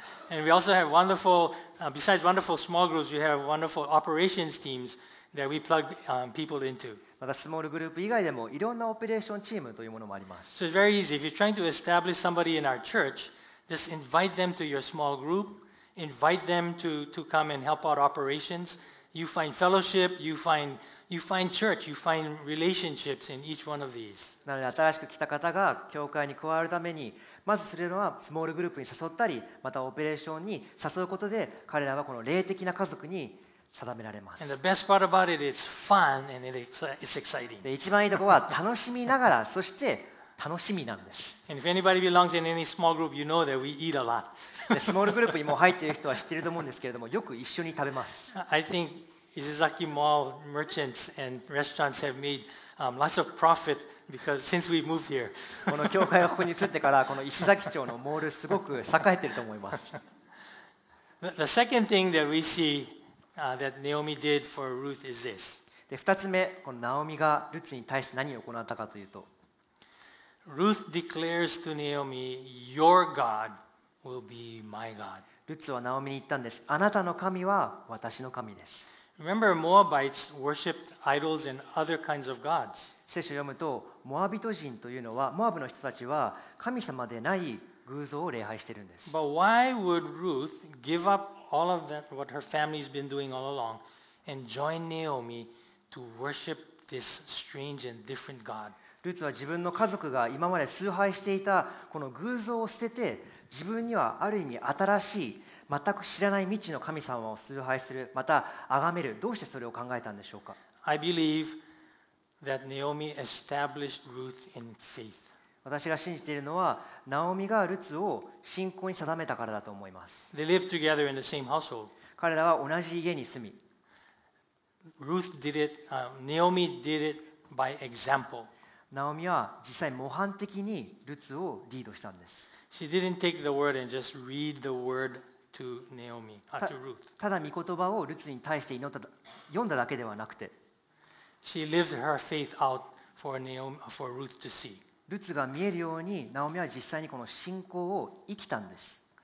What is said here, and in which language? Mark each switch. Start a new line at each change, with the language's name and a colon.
English: And we also have wonderful, besides wonderful small groups, we have wonderful operations teams that we plug people into.
Japanese: またスモールグループ以外でもいろんなオペレーションチームというものもあります。
English: So it's very easy. If you're trying to establish somebody in our church, just invite them to your small group. Invite them to come and help out operations. You find fellowship, you find church, you find relationships in each one of these.
Japanese: なので新しく来た方が教会に加わるために、まずするのはスモールグループに誘ったり、またオペレーションに誘うことで、彼らはこの霊的な家族に定められます。
English: And the best part about it is fun and it's exciting.
Japanese: 一番いいところは楽しみながら、そして楽しみなんです。
English: And if anybody belongs in any small group, you know that we eat a lot.
Japanese: で、スモールグループにも入っている人は知っていると思うんですけれども、よく一緒に食べます。
English: I think Ishizaki Mall merchants and restaurants have made lots of profit because since we've moved here.
Japanese: この教会がここに移ってから、この石崎町のモールすごく栄えていると思います。
English: The second thing that we seeThat Naomi did for Ruth is this.
Japanese: で、二つ目、このナオミがルツに対して何を行ったかというと、
English: Ruth declares to Naomi, "Your God will be my God."
Japanese: ルツはナオミに言ったんです。あなたの神は私の神です。
English: Remember, Moabites worshipped idols and other kinds of gods.
Japanese: 聖書を読むと、モアビト人というのは、モアブの人たちは神様でない偶像を礼拝しているんです。
English: But why would Ruth give up? All of that, what her family's been doing all along, and join Naomi to worship this strange and different God.
Japanese: ルツは自分の家族が今まで崇拝していたこの偶像を捨てて、自分にはある意味新しい全く知らない未知の神様を崇拝する、また崇める。どうしてそれを考えたんでしょうか。
English: I believe that Naomi established Ruth in faith.
Japanese: 私が信じているのは、ナオミがルツを信仰に定めたからだと思います。
English: They lived together in the same household.
Japanese: 彼らは同じ家に住み。
English: Ruth did it, Naomi did it by example.
Japanese: ナオミは実際模範的にルツをリードしたんです。
English: She didn't take the word and just read the word to Naomi, to Ruth.
Japanese: ただ御言葉をルツに対して祈った、読んだだけではなくて。
English: She lived her faith out for Ruth to see.
Japanese: ルツが見えるようにナオミは実際にこの信仰を生きたんです。